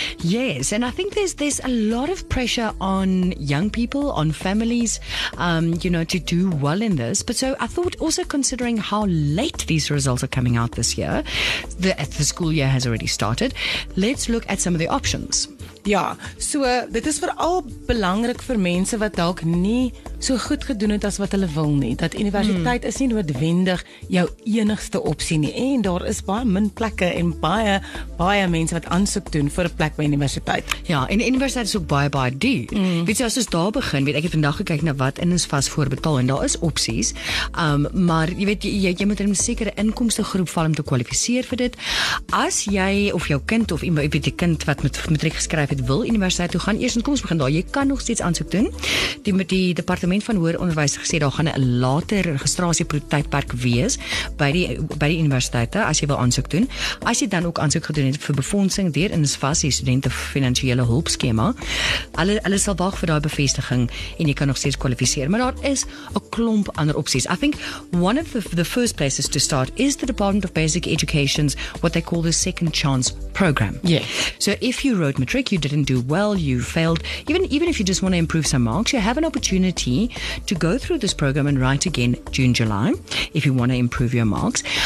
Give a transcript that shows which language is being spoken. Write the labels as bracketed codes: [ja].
[en] Yes, and I think there's a lot of pressure on young people, on families, you know, to do well in this. But so I thought, also considering how late these results are coming out this year, the school year has already started, let's look at some of the options. [af] Ja, so dit is veral belangrik vir mense wat dalk nie so goed gedoen het as wat hulle wil nie. Dat universiteit is nie noodwendig jou enigste opsie nie. En daar is baie min plekke en baie mense wat aansoek doen vir 'n plek by universiteit. Ja, en universiteit is ook baie duur. Weet jy, as ons daar begin, weet ek het vandag gekyk na wat in ons vas voorbetaal en daar is opsies. Maar jy weet, jy moet in 'n sekere inkomste groep val om te kwalifiseer vir dit. As jy of jou kind of iemand, weet die kind wat met matriek geskryf het wil universiteit toe gaan, eers inkomste begin daar. Jy kan nog steeds aansoek doen. Die departement van hoër onderwijs gesê, daar gaan 'n later registrasietydperk wees by die universiteite as jy wil aansoek doen. As jy dan ook aansoek gedoen het vir befondsing deur in SFAS, die studente finansiële hulp skema, hulle sal wag vir daai bevestiging en jy kan nog steeds kwalifiseer. Maar daar is 'n klomp ander opsies. [en] I think one of the first places to start is the Department of Basic Education's what they call the Second Chance Program. Yes. So if you wrote matric, you didn't do well, you failed, even if you just want to improve some marks, you have an opportunity to go through this program and write again June, July, if you want to improve your marks.